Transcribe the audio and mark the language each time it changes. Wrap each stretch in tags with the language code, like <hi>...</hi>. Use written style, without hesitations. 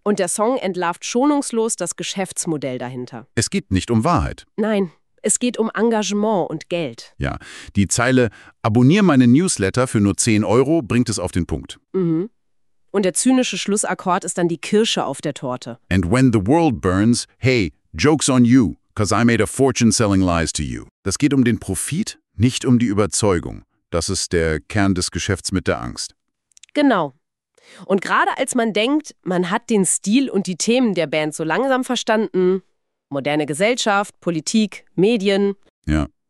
<de>Und der Song entlarvt schonungslos das Geschäftsmodell dahinter. Es geht nicht um Wahrheit. Nein, Es geht um Engagement und Geld. Ja, die Zeile "Abonnier meinen Newsletter für nur 10 Euro" bringt es auf den Punkt. Mhm. Und der zynische Schlussakkord ist dann die Kirsche auf der Torte.</de> <en>And when the world burns, hey, joke's on you, 'cause I made a fortune selling lies to you.</en> <de>Das geht um den Profit, nicht um die Überzeugung. Das ist der Kern des Geschäfts mit der Angst. Genau. Und gerade als man denkt, man hat den Stil und die Themen der Band so langsam verstanden, moderne Gesellschaft, Politik, Medien, ja,</de>